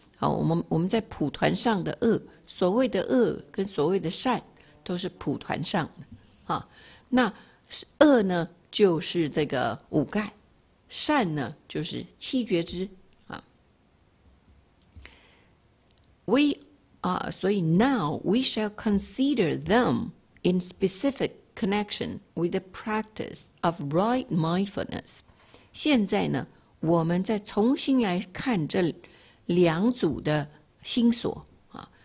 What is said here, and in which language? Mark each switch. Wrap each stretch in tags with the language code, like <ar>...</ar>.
<zh>好，我们在蒲团上的恶，所谓的恶跟所谓的善都是蒲团上的啊。那恶呢，就是这个五盖；善呢，就是七觉知。</zh> <en>所以 now we shall consider them in specific connection with the practice of right mindfulness.</en> <zh>现在呢，我们再重新来看这两组的心所啊。</zh>